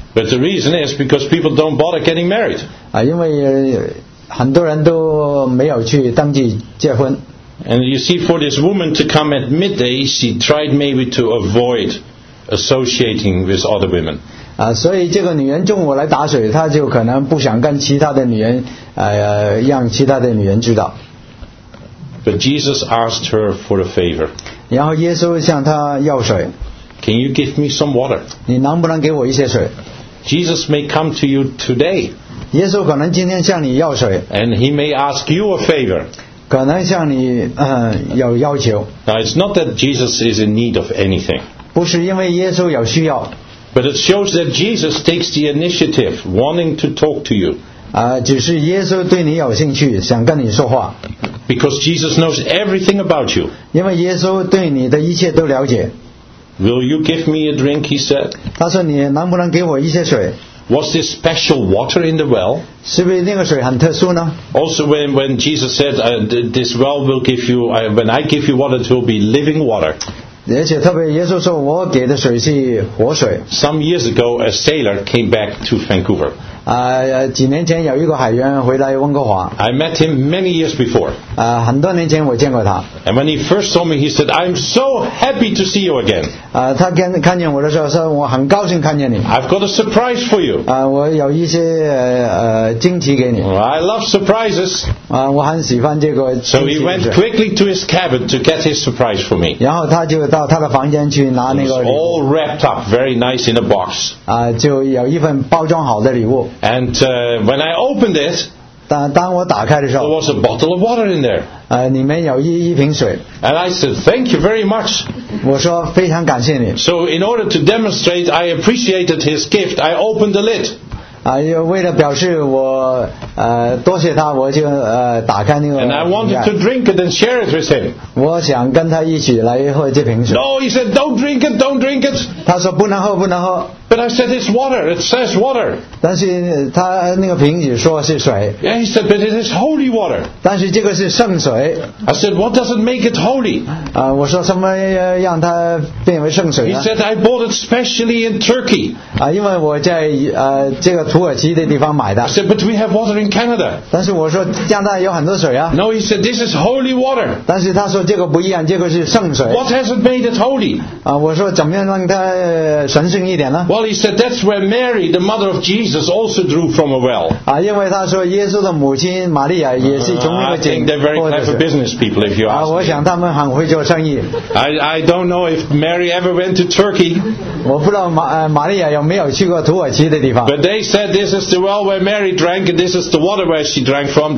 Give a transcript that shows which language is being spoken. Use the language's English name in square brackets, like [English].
[English] But the reason is because people don't bother getting married. [Chinese] 啊，因为很多人都没有去登记结婚。 [English] And you see, for this woman to come at midday, she tried maybe to avoid associating with other women. [Chinese] 啊，所以这个女人中午来打水，她就可能不想跟其他的女人，让其他的女人知道。 [English] But Jesus asked her for a favor. [Chinese] 然后耶稣向她要水。 [English] Can you give me some water? [Chinese] 你能不能给我一些水？ [English] Jesus may come to you today. [Chinese] 耶稣可能今天向你要水。 [English] And he may ask you a favor. [Chinese] 可能向你有要求。 [English] Now it's not that Jesus is in need of anything. [Chinese] 不是因为耶稣有需要。 [English] But it shows that Jesus takes the initiative, wanting to talk to you. [Chinese] 只是耶稣对你有兴趣，想跟你说话。 [English] Because Jesus knows everything about you. [Chinese] 因为耶稣对你的一切都了解。 [English] Will you give me a drink? He said. [Chinese] 他说你能不能给我一些水？ [English] Was this special water in the well? [Chinese] 是不是那个水很特殊呢？ [English] Also, when Jesus said, "This well will give you, when I give you water, it will be living water." [Chinese] 而且特别，耶稣说我给的水是活水。 [English] Some years ago, a sailor came back to Vancouver. [Chinese] 几年前有一个海员回来温哥华。 [English] I met him many years before. [Chinese] 很多年前我见过他。 [English] And when he first saw me, he said, "I'm so happy to see you again." [Chinese] 他看见我的时候说，我很高兴看见你。 [English] I've got a surprise for you. [Chinese] 我有一些惊奇给你。 [English] Well, I love surprises. [Chinese] 我很喜欢这个。 [English] So he went quickly to his cabin to get his surprise for me. [Chinese] 然后他就到他的房间去拿那个礼物。 [English] It was all wrapped up very nice in a box. [Chinese] 就有一份包装好的礼物。 [English] And when I opened it. [Chinese] 当我打开的时候 [English] there was a bottle of water in there. [Chinese] 里面有一瓶水。 [English] And I said, "Thank you very much." [Chinese] 我说非常感谢你。 [English] So in order to demonstrate I appreciated his gift, I opened the lid. [Chinese] 为了表示我多谢他，我就打开那个。 [English] And I wanted to drink it and share it with him. [Chinese] 我想跟他一起来喝这瓶水。 [English] No, he said, "Don't drink it, don't drink it." [Chinese] 他说不能喝，不能喝。 [English] But I said it's water. It says water. [Chinese] 但是他那个瓶子说是水。 [English] Yeah, he said, "But it is holy water." [Chinese] 但是这个是圣水。 [English] I said, "What does it make it holy?" [Chinese] 我说什么让它变为圣水呢？ [English] He said, "I bought it specially in Turkey." [Chinese] 因为我在这个土耳其的地方买的。 [English] I said, "But we have water in Canada." [Chinese] 但是我说加拿大有很多水啊。 [English] No, he said, "This is holy water." [Chinese] 但是他说这个不一样，这个是圣水。 [English] What has it made it holy? [Chinese] 我说怎么样让它神圣一点呢？ [English] Well, he said that's where Mary, the mother of Jesus, also drew from a well. [Chinese] 因为他说耶稣的母亲玛利亚也是从那个井。 [English] I think they're very clever business people, if you ask. [Chinese] 我想他们很会做生意。 [English] I don't know if Mary ever went to Turkey. [Chinese] 我不知道玛利亚有没有去过土耳其的地方。 [English] But they said this is the well where Mary drank, and this is the water where she drank from.